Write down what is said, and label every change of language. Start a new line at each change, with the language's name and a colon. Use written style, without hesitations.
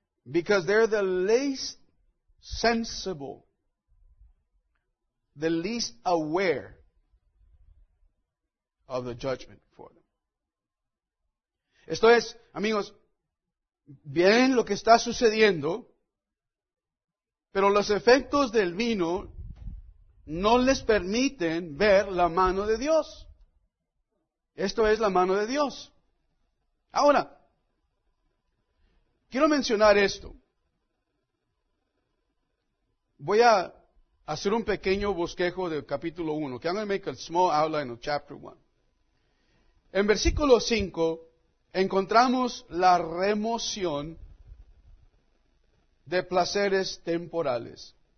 English: Because they're the least sensible, the least aware of the judgment for them.
Spanish: Esto es, amigos, bien lo que está sucediendo, pero los efectos del vino no les permiten ver la mano de Dios. Esto es la mano de Dios. Ahora, quiero mencionar esto. Voy a hacer un pequeño bosquejo del capítulo 1.
English: Okay, I'm going to make a small outline of chapter 1.
Spanish: En versículo 5, encontramos la remoción de placeres temporales.